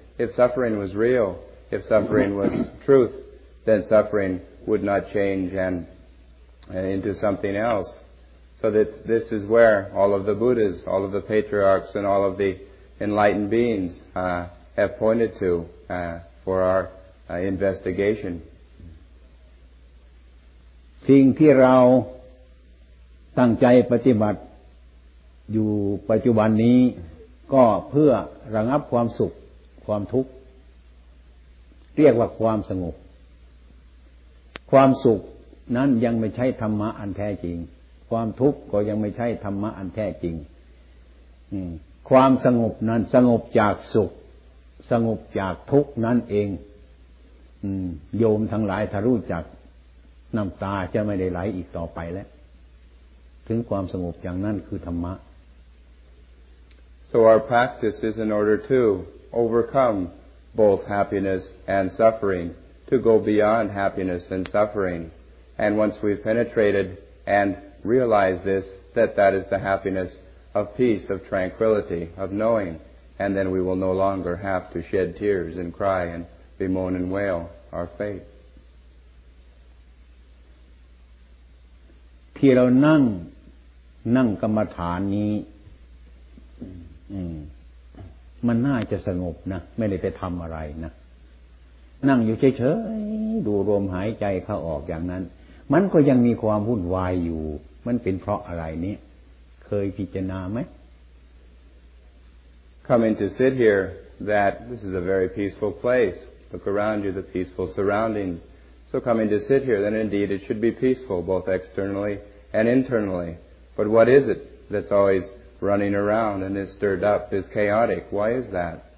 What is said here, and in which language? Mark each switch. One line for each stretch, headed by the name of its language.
English: If suffering was real, if suffering was truth, then suffering would not change and into something else. So that this is where all of the Buddhas, all of the patriarchs, and all of the enlightened beings have pointed to for our investigation.
Thai: สิ่งที่เราตั้งใจปฏิบัติอยู่ปัจจุบันนี้ก็เพื่อระงับความสุขความทุกข์เรียกว่าความสงบ ความสุขนั้นยังไม่ใช่ธรรมะอันแท้จริงความทุกข์ก็ยังไม่ใช่ธรรมะอันแท้จริงความสงบนั้นสงบจากสุขสงบจากทุกข์นั่นเองโยมทั้งหลายถ้ารู้จักน้ำตาจะไม่ได้ไหลอีกต่อไปแล้วถึงความสงบอย่างนั้นคือธรรมะ
English: So our practice is in order to overcome both happiness and suffering, to go beyond happiness and suffering. And once we've penetrated and realized this, that that is the happiness of peace, of tranquility, of knowing. And then we will no longer have to shed tears and cry and bemoan and wail our fate.
Thai: ที่เรานั่งนั่งกรรมฐานนี้มันน่าจะสงบนะไม่ได้ไปทำอะไรนะนั่งอยู่เฉยๆดูลมหายใจเข้าออกอย่างนั้นมันก็ยังมีความวุ่นวายอยู่มันเป็นเพราะอะไรเนี่ยเคยพิจารณาไหม
English: Coming to sit here that this is a very peaceful place look around you the peaceful surroundings so coming to sit here then indeed it should be peaceful both externally and internally but what is it that's alwaysrunning around and is stirred up is chaotic why is that